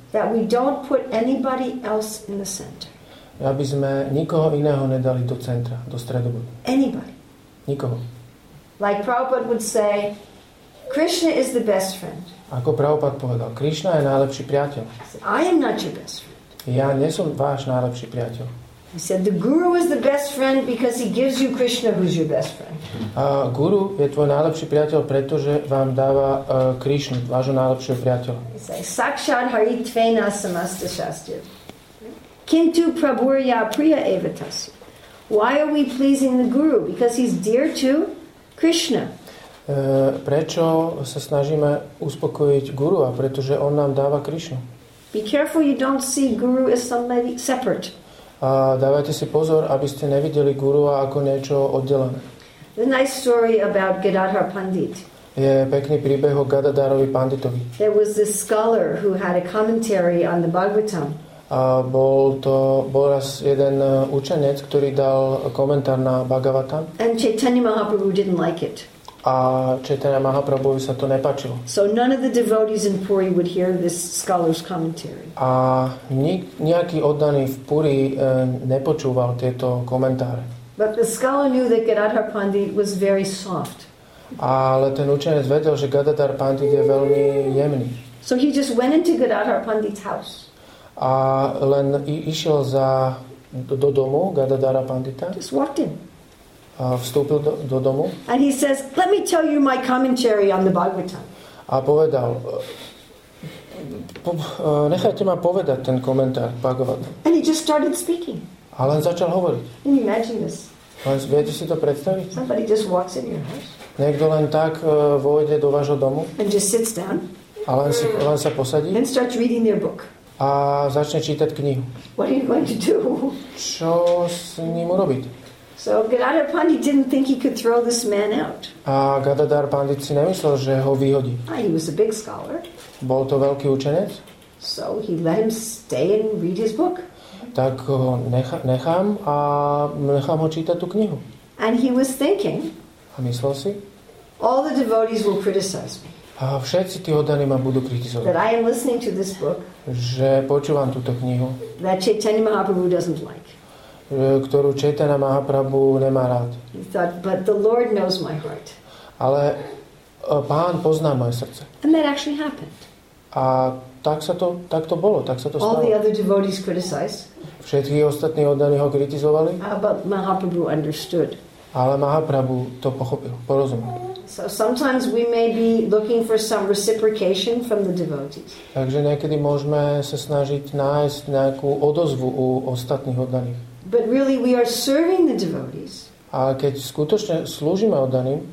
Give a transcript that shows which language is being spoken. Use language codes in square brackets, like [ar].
[en] That we don't put anybody else in the center. [sk] Aby sme nikoho iného nedali do centra, do stredobodu. [en] Anybody. [sk] Nikoho. [en] Like Prabhupada would say, Krishna is the best friend. [sk] Ako Prabhupada povedal, Krishna je najlepší priateľ. [en] I am not your best friend. [sk] Ja nie som váš najlepší priateľ. [en] He said the guru is the best friend because he gives you Krishna who is your best friend. [sk] A guru je tvoj najlepší priateľ, pretože vám dáva Krishnu, vášho najlepšieho priateľa. [sa] Sakshat hari tvena samasta shastya. Kintu prabhurya priya evatasu. [en] Why are we pleasing the guru? Because he's dear to Krishna. [sk] Prečo sa snažíme uspokojiť guru? A pretože on nám dáva Krishnu. [en] Be careful you don't see guru as somebody separate. [sk] A dávajte si pozor, aby ste nevideli gurua ako niečo oddelené. [en] The nice story about Gadadhar Pandit. [sk] Je pekný príbeh o Gadadharovi Panditovi. [en] There was this scholar who had a commentary on the Bhagavatam. [sk] A bol raz jeden učenec, ktorý dal komentár na Bhagavatam. [en] And Chaitanya Mahaprabhu didn't like it. [sk] A Chaitanya Mahaprabhu sa to nepáčilo. [en] So none of the devotees in Puri would hear this scholar's commentary. [sk] A nejaký oddaný v Puri nepočúval tieto komentáre. [en] But the scholar knew that Gadadhar Pandit was very soft. [sk] Ale ten učenec vedel, že Gadadhar Pandit je veľmi jemný. [en] So he just went into Gadadhar Pandit's house. [sk] A len išiel za do domu Gadadhara Pandita. [en] Just walked in. [sk] A vstúpil do domu. [en] And he says, "Let me tell you my commentary on the Bhagavatam." [sk] A povedal, nechajte ma povedať ten komentár Bhagavatam. [en] And he just started speaking. [sk] A len začal hovoriť. [en] Can you imagine this? [sk] Len viete si to predstaviť? [en] Somebody just walks in your house. [sk] Niekto len tak vôjde do vášho domu. [en] And just sits down. [sk] A len sa posadí. [en] And starts reading their book. [sk] A začne čítať knihu. [en] What are you going to do? [sk] Čo s ním urobiť? [en] So Gadadhar Pandit didn't think he could throw this man out. [sk] A Gadadhar Pandit si nemyslel, že ho vyhodí. [en] He was a big scholar. [sk] Bol to veľký učenec. [en] So he let him stay and read his book. [sk] Tak ho nechám ho čítať tú knihu. [en] And he was thinking. [sk] A myslel si? [en] All the devotees will criticize me. [sk] A všetci tí oddaní ma budú kritizovať. [en] That I am listening to this book. [sk] Že počúvam túto knihu. [en] That Chaitanya Mahaprabhu doesn't like. [sk] Ktorú Chaitanya Mahaprabhu nemá rád. [en] Thought, but the Lord knows my heart. [sk] Ale Pán pozná moje srdce. [en] And that actually happened. [sk] A tak to bolo, tak sa to stalo. [en] All the other devotees criticized. [sk] Všetci ostatní oddaní ho kritizovali. [en] But Mahaprabhu understood. [sk] Ale Mahaprabhu to pochopil, porozumel. [en] So sometimes we may be looking for some reciprocation from the devotees. [sk] Takže niekedy môžeme sa snažiť nájsť nejakú odozvu u ostatných oddaných. [en] But really we are serving the devotees. [sk] A keď skutočne slúžime oddaným,